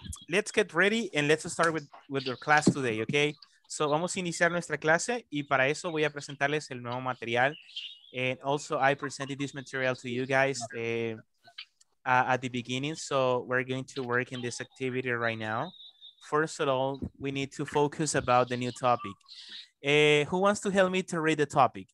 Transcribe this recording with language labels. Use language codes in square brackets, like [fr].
[en] Let's get ready and let's start with your class today, ok? [es] So, vamos a iniciar nuestra clase y para eso voy a presentarles el nuevo material. [en] And also, I presented this material to you guys at the beginning. So, we're going to work in this activity right now. First of all, we need to focus about the new topic. Who wants to help me to read the topic?